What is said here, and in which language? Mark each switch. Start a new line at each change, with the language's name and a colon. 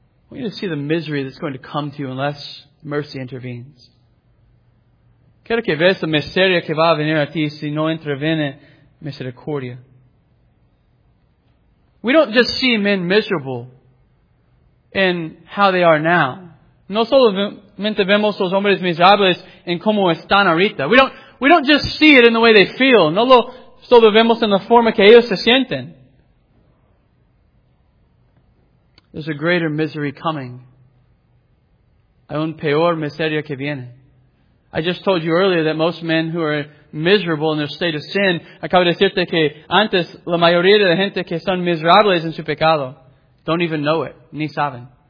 English: I want you to see the misery that's going to come to you unless mercy intervenes.
Spanish: Quiero que veas la miseria que va a venir a ti si no interviene misericordia.
English: We don't just see men miserable in how they are now.
Spanish: No solamente vemos los hombres miserables en cómo están ahorita.
English: We don't just see it in the way they feel.
Spanish: No lo solo vemos en la forma que ellos se sienten.
English: There's a greater misery coming.
Spanish: Hay un peor miseria que viene.
English: I just told you earlier that most men who are miserable in their state of sin,
Spanish: acabo de decirte que antes la mayoría de la gente que son miserables en su pecado
English: don't even know it,
Spanish: ni saben.